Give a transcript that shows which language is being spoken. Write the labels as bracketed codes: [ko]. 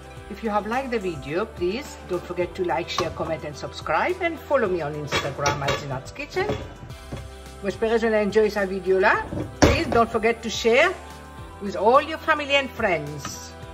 [en] If you have liked the video, please don't forget to like, share, comment and subscribe and follow me on Instagram at Zinat's Kitchen. [fr] J'espère que vous avez aimé cette vidéo là. [en] Please don't forget to share with all your family and friends.